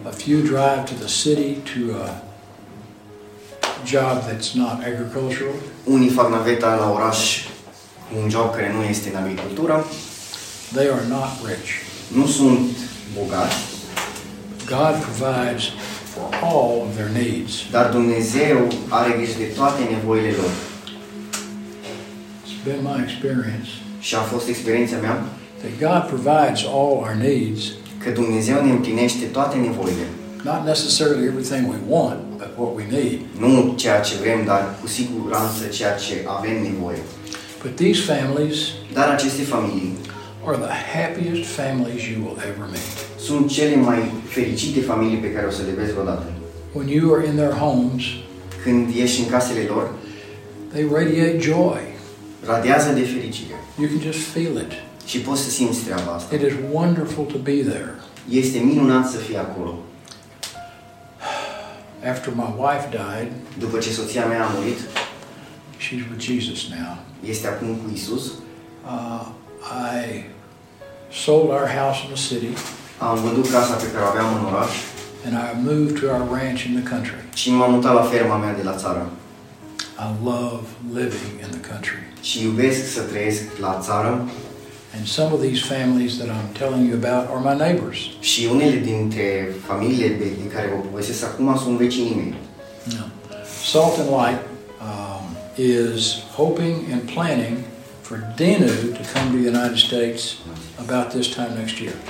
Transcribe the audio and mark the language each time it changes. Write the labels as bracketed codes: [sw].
[en] A few drive to the city to a job that's not agricultural. [ro] Unii fac naveta la oraș. Un job care nu este în agricultură. [en] They are not rich. [ro] Nu sunt bogați. [en] God provides for all of their needs. [ro] Dar Dumnezeu are grijă de toate nevoile lor. [en] It's been my experience. [ro] Și a fost experiența mea. [en] That God provides all our needs. [ro] Că Dumnezeu ne împlinește toate nevoile. [en] Not necessarily everything we want, but what we need. [ro] Nu ceea ce vrem, dar cu siguranță ceea ce avem nevoie. [en] But these families, [ro] dar aceste familii, [en] are the happiest families you will ever meet. [ro] Sunt cele mai fericite familii pe care o să le vezi vreodată. [en] When you are in their homes, [ro] când ești în casele lor, [en] they radiate joy. [ro] Radiază de fericire. [en] You can just feel it. [ro] Și poți să simți treaba asta. [en] It is wonderful to be there. [ro] Este minunat să fii acolo. [en] after my wife died. [ro] După ce soția mea a murit. [en] She's with Jesus now. [ro] Este acum cu Isus. [en] I sold our house in the city. [ro] Am vândut casa pe care o aveam în oraș. [en] And I moved to our ranch in the country. [ro] Și m-am mutat la ferma mea de la țară. [en] I love living in the country. [ro] Și iubesc să trăiesc la țară. [en] And some of these families that I'm telling you about are my neighbors. [ro] Și unele dintre familiile din care vă povestesc acum sunt vecinii mei. [en] Salt and Light is hoping and planning for Denu to come to the United States about this time next year.